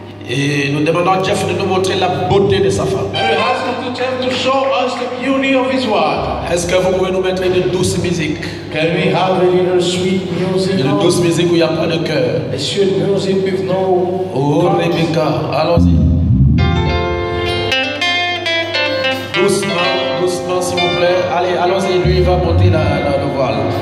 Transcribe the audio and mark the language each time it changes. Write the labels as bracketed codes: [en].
[fr] Et nous demandons à Jeff de nous montrer la beauté de sa femme. [en] And we ask him to Jeff to show us the beauty of his wife. [fr] Est-ce que vous pouvez nous mettre une douce musique? [en] Can we have a little sweet music? [fr] Une douce musique où il n'y a pas de cœur. [en] A sweet music with no. [fr] Oh, Rebecca, allons-y. Doucement, doucement, s'il vous plaît. Allez, allons-y, lui, il va monter la le voile.